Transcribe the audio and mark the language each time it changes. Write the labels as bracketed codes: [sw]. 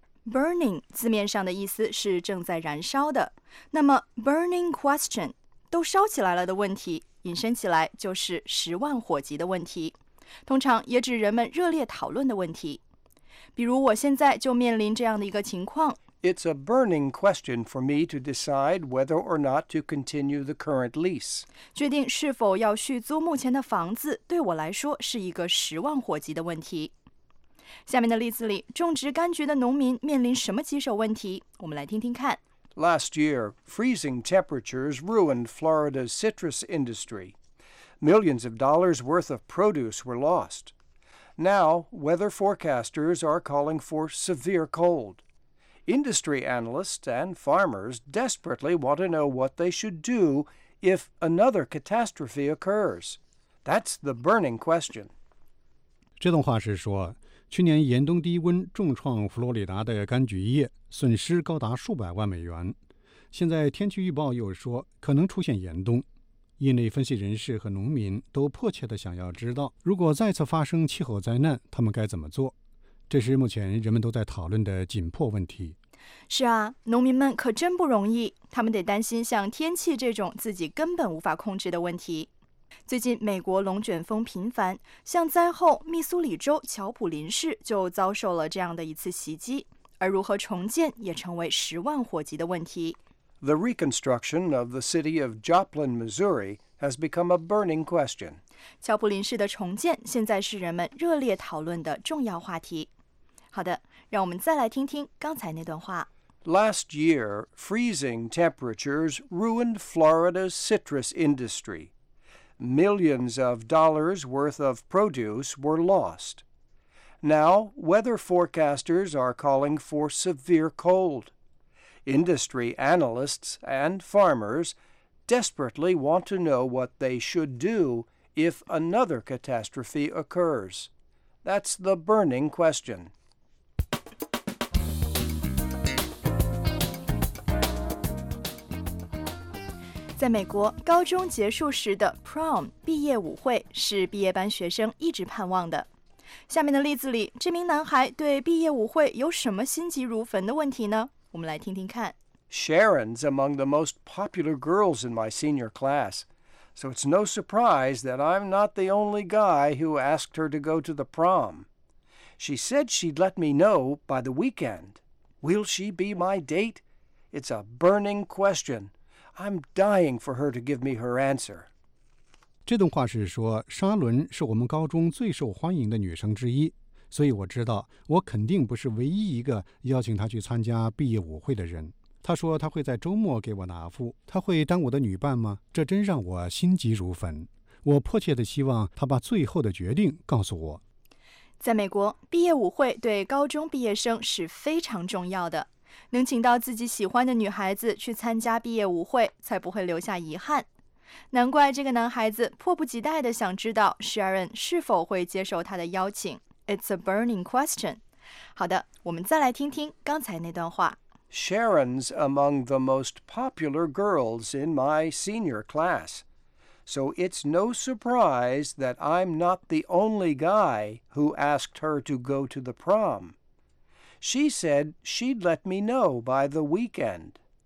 [zh] Burning 字面上的意思是正在燃烧的，那么 burning question, 都烧起来了的问题，引申起来就是十万火急的问题，通常也指人们热烈讨论的问题。比如我现在就面临这样的一个情况， [en] It's a burning question for me to decide whether or not to continue the current lease. [zh] 决定是否要续租目前的房子对我来说是一个十万火急的问题。下面的例子里，种植柑橘的农民面临什么棘手问题？我们来听听看。 [en] Last year, freezing temperatures ruined Florida's citrus industry. Millions of dollars worth of produce were lost. Now, weather forecasters are calling for severe cold. Industry analysts and farmers desperately want to know what they should do if another catastrophe occurs. That's the burning question. [zh] 这段话是说，去年严冬低温重创佛罗里达的柑橘业，损失高达数百万美元。现在天气预报又说可能出现严冬，业内分析人士和农民都迫切地想要知道，如果再次发生气候灾难，他们该怎么做。这是目前人们都在讨论的紧迫问题。是啊，农民们可真不容易，他们得担心像天气这种自己根本无法控制的问题。最近美国龙卷风频繁，像灾后密苏里州乔普林市就遭受了这样的一次袭击，而如何重建也成为十万火急的问题。 [en] The reconstruction of the city of Joplin, Missouri has become a burning question. [zh] 乔普林市的重建现在是人们热烈讨论的重要话题。好的，让我们再来听听刚才那段话。 [en] Last year, freezing temperatures ruined Florida's citrus industry. Millions of dollars worth of produce were lost. Now, weather forecasters are calling for severe cold. Industry analysts and farmers desperately want to know what they should do if another catastrophe occurs. That's the burning question. [zh] 在美国，高中结束时的 prom 毕业舞会是毕业班学生一直盼望的。下面的例子里，这名男孩对毕业舞会有什么心急如焚的问题呢？我们来听听看。 [en] Sharon's among the most popular girls in my senior class, so it's no surprise that I'm not the only guy who asked her to go to the prom. She said she'd let me know by the weekend. Will she be my date? It's a burning question. I'm dying for her to give me her answer. [zh] 这段话是说，沙伦是我们高中最受欢迎的女生之一，所以我知道我肯定不是唯一一个邀请她去参加毕业舞会的人。她说她会在周末给我答复，她会当我的女伴吗？这真让我心急如焚。我迫切地希望她把最后的决定告诉我。在美国，毕业舞会对高中毕业生是非常重要的。能请到自己喜欢的女孩子去参加毕业舞会，才不会留下遗憾。难怪这个男孩子迫不及待地想知道 Sharon 是否会接受他的邀请。 [en] It's a burning question. [zh] 好的，我们再来听听刚才那段话。 [en] Sharon's among the most popular girls in my senior class. So it's no surprise that I'm not the only guy who asked her to go to the prom. She said she'd let me know by the weekend.